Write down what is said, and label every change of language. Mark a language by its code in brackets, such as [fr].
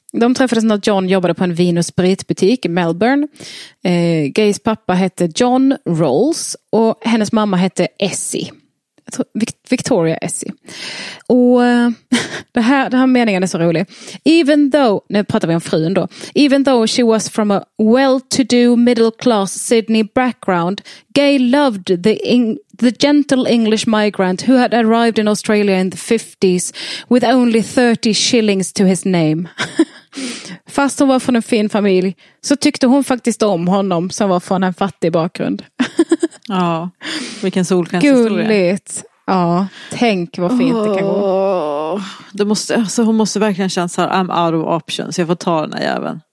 [sv] De träffades när John jobbade på en vin- och spritbutik i Melbourne. Gays pappa hette John Rolls och hennes mamma hette Essie. Victoria Essie. Och det här meningen är så rolig. [en] Even though, [sv] nu pratar vi om frun då. [en] Even though she was from a well-to-do middle-class Sydney background, Gay loved the gentle English migrant who had arrived in Australia in the 50s with only 30 shillings to his name. [sv] Fast hon var från en fin familj så tyckte hon faktiskt om honom som var från en fattig bakgrund. Ja, vilken solskens gulligt. Ja, tänk vad fint det kan gå. Det måste, alltså hon måste verkligen känna så här, [en] I'm out of options, [sv] jag får ta den här jäveln.